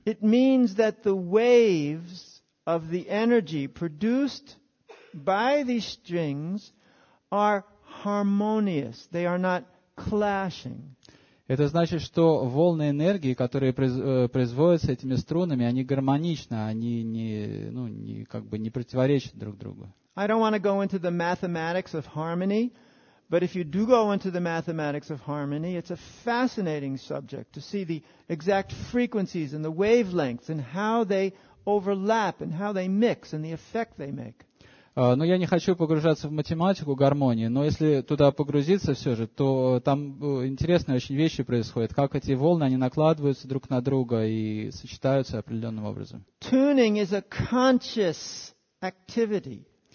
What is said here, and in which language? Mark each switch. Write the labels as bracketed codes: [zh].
[en] It means that the waves of the energy produced by these strings are harmonious. They are not clashing. [ru] Это значит, что волны энергии, которые производятся этими струнами, они гармоничны, они не противоречат друг другу. [en] I don't want to go into the mathematics of harmony, but if you do go into the mathematics of harmony, it's a fascinating subject to see the exact frequencies and the wavelengths and how they overlap and how they mix and the effect they make. [ru] Но я не хочу погружаться в математику гармонии, но если туда погрузиться все же, то там интересные очень вещи происходят, как эти волны, они накладываются друг на друга и сочетаются определенным образом. [en] Tuning is a conscious activity.